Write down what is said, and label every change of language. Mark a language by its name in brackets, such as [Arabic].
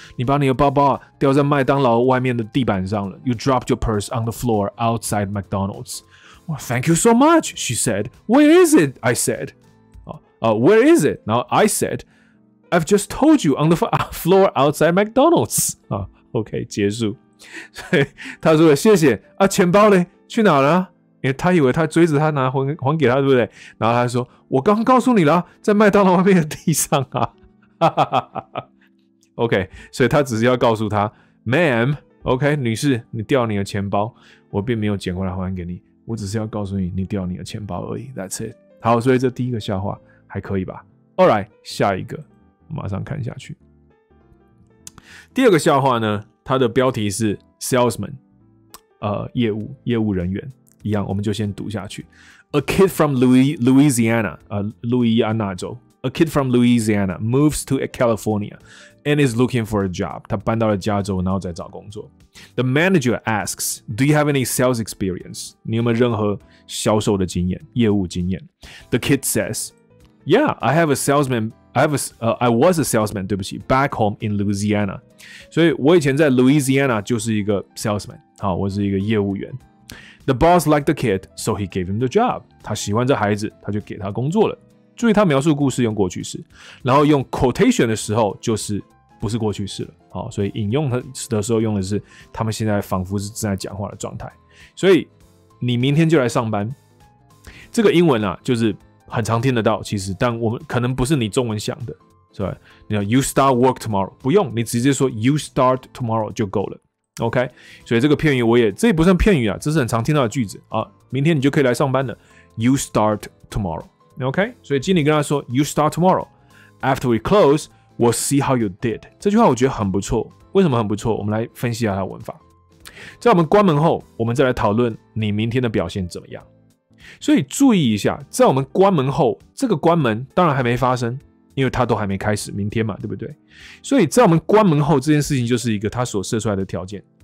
[Chinese] 你把你的包包掉在麦当劳外面的地板上了。 [English] You dropped your purse on the floor outside McDonald's. Well, thank you so much, she said. Where is it? I said. Where is it? Now I said, I've just told you on the floor outside McDonald's. [Chinese] OK, 结束。他说谢谢。钱包呢？去哪了？因为他以为他追着他拿还给他，对不对？然后他说：“我刚告诉你了，在麦当劳外面的地上啊。 ”OK， 所以他只是要告诉他 ： [English] “Ma'am，OK，、okay, [Chinese] 女士，你掉你的钱包，我并没有捡过来还给你，我只是要告诉你，你掉你的钱包而已。” [English] That's it。 [Chinese] 好，所以这第一个笑话还可以吧 ？ [English] All right， [Chinese] 下一个，我马上看下去。第二个笑话呢，它的标题是 “Salesman”， 业务人员。 [English] 一样，我们就先读下去。A kid from Louisiana, 路易安娜州 A kid from Louisiana moves to California and is looking for a job. [Chinese] 他搬到了加州，然后再找工作。 [English] The manager asks, "Do you have any sales experience?" [Chinese] 你有没有任何销售的经验、业务经验 ？ [English] The kid says, "Yeah, I have a salesman. I was a salesman. [Chinese] 对不起 [English] back home in Louisiana. [Chinese] 所以我以前在 Louisiana 就是一个 salesman. 好，我是一个业务员。 [English] The boss liked the kid, so he gave him the job. [Chinese] 他喜欢这孩子，他就给他工作了。注意他描述故事用过去式，然后用 quotation 的时候就是不是过去式了。好，所以引用的时候用的是他们现在仿佛是正在讲话的状态。所以你明天就来上班，这个英文啊就是很常听得到，其实但我们可能不是你中文想的，是吧？你要 [English] you start work tomorrow， [Chinese] 不用，你直接说 [English] you start tomorrow [Chinese] 就够了。 OK， 所以这个片语我也这也不算片语啊，这是很常听到的句子啊。明天你就可以来上班了 ， [English] you start tomorrow。 [Chinese] OK， 所以经理跟他说 ， [English] You start tomorrow. After we close, we'll see how you did. [Chinese] 这句话我觉得很不错。为什么很不错？我们来分析一下它的文法。在我们关门后，我们再来讨论你明天的表现怎么样。所以注意一下，在我们关门后，这个关门当然还没发生，因为它都还没开始，明天嘛，对不对？所以在我们关门后这件事情就是一个它所设出来的条件。